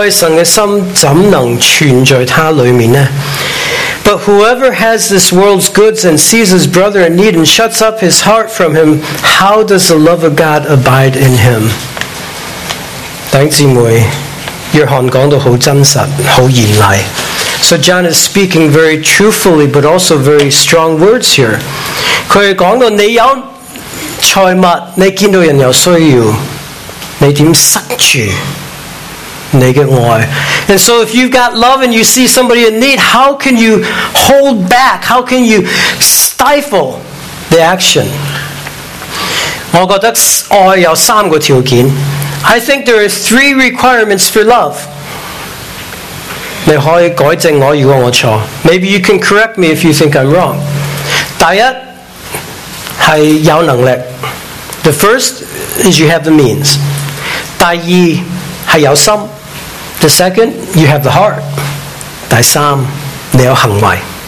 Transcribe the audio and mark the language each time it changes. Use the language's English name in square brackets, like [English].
[Cantonese] 凡有世上财物的，看见弟兄贫乏，却塞住怜恤嘅心，爱神嘅心怎能存在他里面呢？ [English] But whoever has this world's goods and sees his brother in need and shuts up his heart from him, how does the love of God abide in him? [Cantonese] 弟兄姊妹，约翰讲到好真实，好严厉。 [English] So John is speaking very truthfully, but also very strong words here. [Cantonese] 佢系讲到你有财物，你见到人有需要，你点塞住你嘅爱？ [English] And so, if you've got love and you see somebody in need, how can you hold back? How can you stifle the action? [Cantonese] 我觉得爱有三个条件。 [English] I think there are three requirements for love. [Cantonese] 你可以改正我如果我错。 [English] Maybe you can correct me if you think I'm wrong. [Cantonese] 第一,是有能力。 [English] The first is you have the means. [Cantonese] 第二,是有心。 [English] The second, you have the heart. [Cantonese] 第三,你有行为。